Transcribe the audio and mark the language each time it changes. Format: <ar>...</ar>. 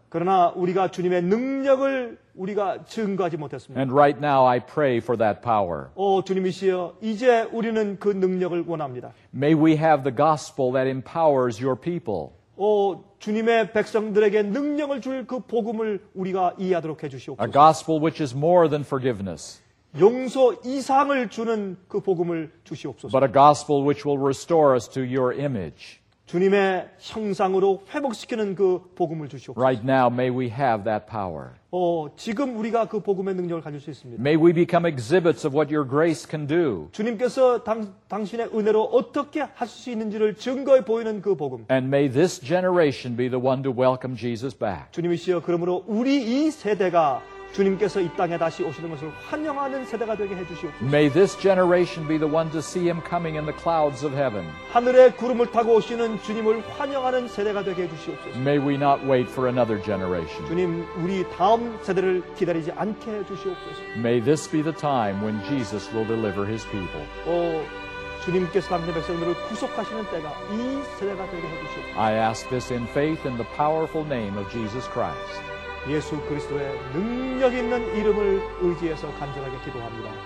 <ko>그러나 우리가 주님의 능력을 우리가 증거하지 못했습니다.</ko> <en>And right now I pray for that power.</en> <ko>오 주님이시여, 이제 우리는 그 능력을 원합니다.</ko> <en>May we have the gospel that empowers your people.</en> <ko>오 주님의 백성들에게 능력을 줄 그 복음을 우리가 이해하도록 해주시옵소서.</ko> <en>A gospel which is more than forgiveness.</en> <ko>용서 이상을 주는 그 복음을 주시옵소서.</ko> <en>But a gospel which will restore us to your image.</en> <ko>주님의 형상으로 회복시키는 그 복음을 주시옵소서.</ko> <en>Right now may we have that power.</en> <ko>오, 지금 우리가 그 복음의 능력을 가질 수 있습니다.</ko> <en>May we become exhibits of what your grace can do.</en> <ko>주님께서 당신의 은혜로 어떻게 하실 수 있는지를 증거해 보이는 그 복음.</ko> <en>And may this generation be the one to welcome Jesus back.</en> <ko>주님이시여, 그러므로 우리 이 세대가 주님께서 이 땅에 다시 오시는 것을 환영하는 세대가 되게 해주시옵소서.</ko> <en>May this generation be the one to see him coming in the clouds of heaven.</en> <ko>하늘에 구름을 타고 오시는 주님을 환영하는 세대가 되게 해주시옵소서.</ko> <en>May we not wait for another generation.</en> <ko>주님, 우리 다음 세대를 기다리지 않게 해주시옵소서.</ko> <en>May this be the time when Jesus will deliver his people.</en> <ko>오, 주님께서 당신의 백성들을 구속하시는 때가 이 세대가 되게 해주시옵소서.</ko> <en>I ask this in faith in the powerful name of Jesus Christ.</en> <ko>예수 그리스도의 능력 있는 이름을 의지해서 간절하게 기도합니다.</ko>